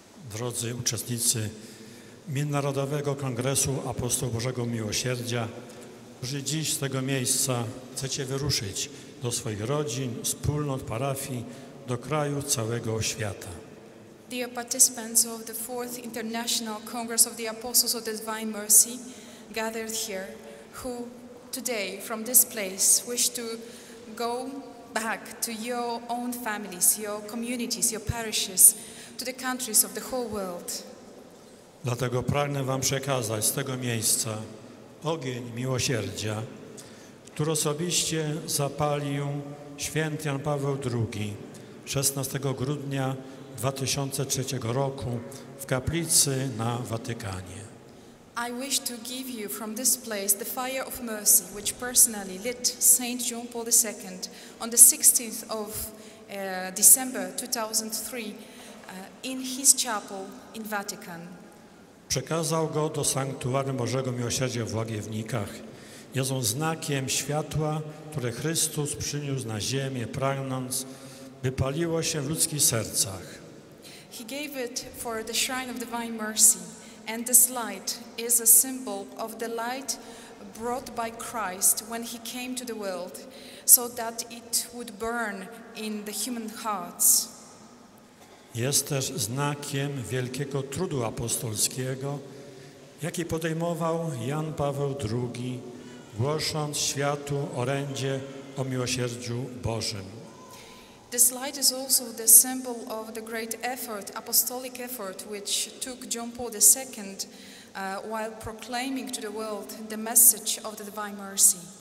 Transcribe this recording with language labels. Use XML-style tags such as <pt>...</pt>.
<pl>Drodzy uczestnicy Międzynarodowego Kongresu Apostołów Bożego Miłosierdzia, którzy dziś z tego miejsca chcecie wyruszyć do swoich rodzin, wspólnot, parafii, do kraju całego świata.</pl> <en>Dear participants of the 4th International Congress of the Apostles of the Divine Mercy gathered here, who today from this place wish to go back to your own families, your communities, your parishes, to the countries of the whole world.</en> <pl>Dlatego pragnę wam przekazać z tego miejsca ogień miłosierdzia, który osobiście zapalił święty Jan Paweł II 16 grudnia 2003 roku w kaplicy na Watykanie.</pl> <en>I wish to give you from this place the fire of mercy which personally lit Saint John Paul II on the 16th of December 2003 in his chapel in Vatican.</en> <pl>Przekazał go do Sanktuarium Bożego Miłosierdzia w Łagiewnikach. Jest on znakiem światła, które Chrystus przyniósł na ziemię, pragnąc, by paliło się w ludzkich sercach.</pl> <en>He gave it for the shrine of divine mercy, and this light is a symbol of the light brought by Christ when he came to the world, so that it would burn in the human hearts.</en> <pl>Jest też znakiem wielkiego trudu apostolskiego, jaki podejmował Jan Paweł II, głosząc światu orędzie o miłosierdziu Bożym.</pl> <en>This light is also the symbol of the great effort, apostolic effort, which took John Paul II while proclaiming to the world the message of the divine mercy.</en>